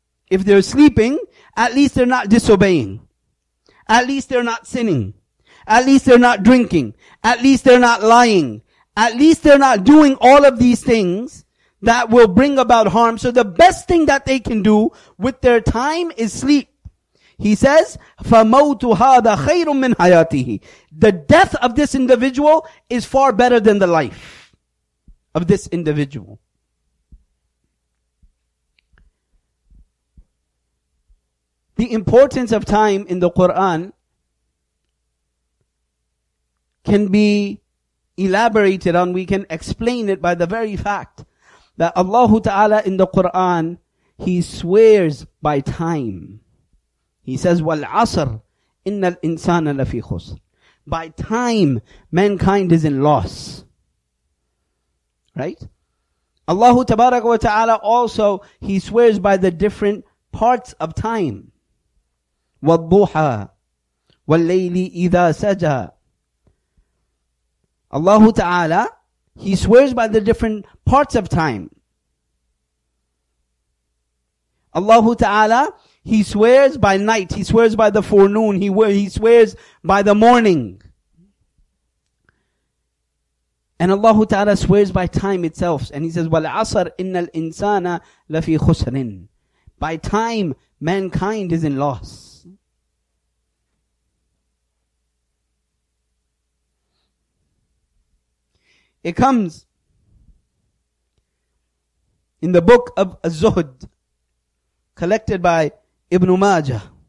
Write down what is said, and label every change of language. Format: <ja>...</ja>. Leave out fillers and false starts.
<en>If they're sleeping, at least they're not disobeying. At least they're not sinning. At least they're not drinking. At least they're not lying. At least they're not doing all of these things that will bring about harm. So the best thing that they can do with their time is sleep. He says,</en> <ar>فَمَوْتُ هَذَا خَيْرٌ مِّنْ حَيَاتِهِ.</ar> <en>The death of this individual is far better than the life of this individual. The importance of time in the Quran can be elaborated on. We can explain it by the very fact that Allah Ta'ala in the Quran, He swears by time. He says,</en> <ar>وَالْعَصْرِ إِنَّ الْإِنسَانَ لَفِي خُسْرٍ.</ar> <en>By time, mankind is in loss. Right? Allah Tabaraka wa Ta'ala also, He swears by the different parts of time.</en> <ar>وَالْضُحَى وَاللَّيْلِ إِذَا سَجَى.</ar> <en>Allah Ta'ala, He swears by the different parts of time. Allah Ta'ala, He swears by night, He swears by the forenoon, He swears by the morning. And Allah Ta'ala swears by time itself. And He says,</en> <ar>وَالْعَصَرْ إِنَّ الْإِنسَانَ لَفِي خُسْرٍ.</ar> <en>By time, mankind is in loss. It comes in the book of Az-Zuhd, collected by Ibn Majah,</en>